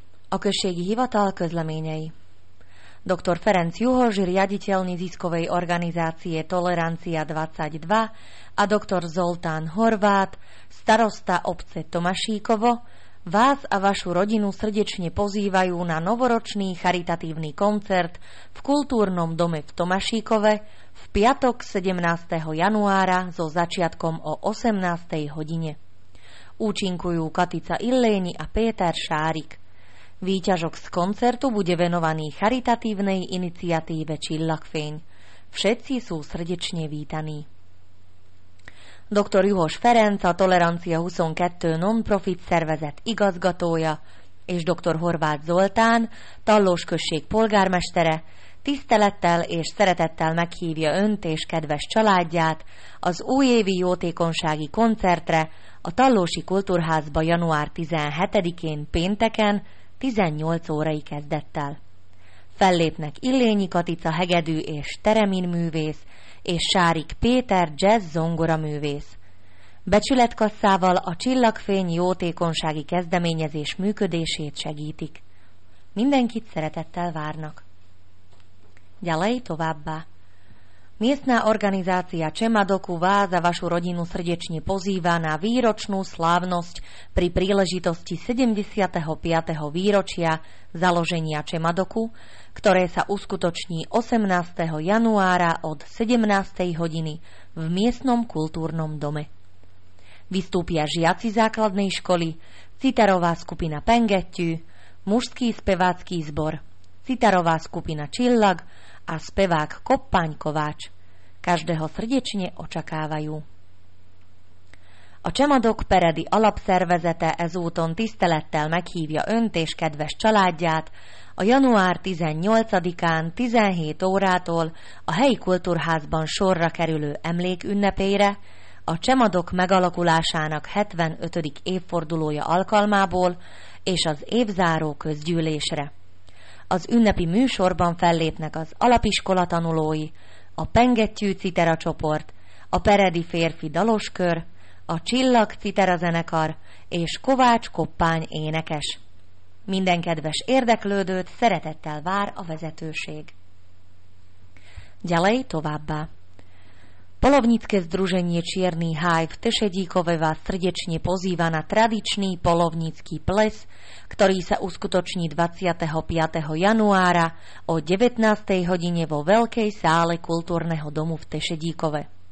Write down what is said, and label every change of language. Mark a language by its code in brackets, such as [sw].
[hu] Okösségi hivatal közleményei. [sk] Dr. Ferenc Juhos, riaditeľ neziskovej organizácie Tolerancia 22 a dr. Zoltán Horvát, starosta obce Tomašíkovo, vás a vašu rodinu srdečne pozývajú na novoročný charitatívny koncert v kultúrnom dome v Tomašíkove v piatok 17. januára so začiatkom o 18. hodine. Účinkujú Katica Illéni a Péter Šárik. Výťažok z koncertu bude venovaný charitatívnej iniciatíve Chillaxfeň. Všetci sú srdečne vítaní. [hu] Dr. Juhos Ferenc a Tolerancia 22 non-profit szervezet igazgatója és dr. Horváth Zoltán, Tallós község polgármestere tisztelettel és szeretettel meghívja önt és kedves családját az újévi jótékonysági koncertre a Tallósi Kultúrházba január 17-én pénteken 18 órai kezdettel. Fellépnek Illényi Katica hegedű és teremin művész, és Sárik Péter jazz zongora művész. Becsületkasszával a Csillagfény jótékonysági kezdeményezés működését segítik. Mindenkit szeretettel várnak. Gyalej továbbá. [sk] Miestna organizácia Čemadoku vás a vašu rodinu srdečne pozýva na výročnú slávnosť pri príležitosti 75. výročia založenia Čemadoku, ktoré sa uskutoční 18. januára od 17. hodiny v miestnom kultúrnom dome. Vystúpia žiaci základnej školy, citarová skupina Pengetty, mužský spevácky zbor, citarová skupina Čillag a spevák Koppány Kováč. Každého srdečne očakávajú. [hu] A Čemadok Peredi alapszervezete ezúton tisztelettel meghívja önt és kedves családját a január 18-án 17 órától a helyi kultúrházban sorra kerülő emlékünnepére, a Csemadok megalakulásának 75. évfordulója alkalmából és az évzáró közgyűlésre. Az ünnepi műsorban fellépnek az alapiskola tanulói, a Pengetty Citera csoport, a Peredi férfi daloskör, a Csillag Citera zenekar és Kovács Koppány énekes. Minden kedves érdeklődőt szeretettel vár a vezetőség. Gyalej továbbá. [sk] Polovnické združenie Čierny háj v Tešedíkove vás srdečne pozýva na tradičný polovnícky ples, ktorý sa uskutoční 25. januára o 19. hodine vo Veľkej sále kultúrneho domu v Tešedíkove.